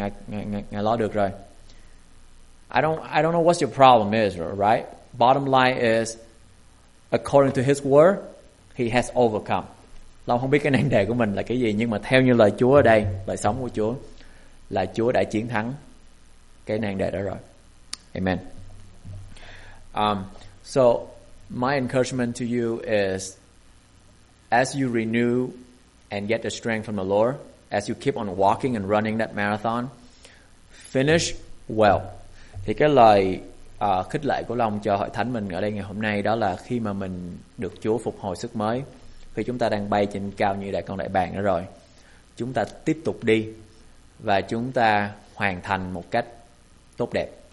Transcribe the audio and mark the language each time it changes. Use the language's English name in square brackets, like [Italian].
[Vietnamese] Ngài lo được rồi. [English] I don't know what your problem is, right? Bottom line is, according to his word, he has overcome. [Vietnamese] Long không biết cái nan đề của mình là cái gì, nhưng mà theo như lời Chúa ở đây, lời sống của Chúa, là Chúa đã chiến thắng cái nan đề đó rồi. Amen. [English] So my encouragement to you is, as you renew and get the strength from the Lord, as you keep on walking and running that marathon, finish well. [Vietnamese] Thì cái lời khích lệ của Long cho hội thánh mình ở đây ngày hôm nay đó là khi mà mình được Chúa phục hồi sức mới, khi chúng ta đang bay trên cao như đại con đại bàng đó rồi, chúng ta tiếp tục đi và chúng ta hoàn thành một cách tốt đẹp.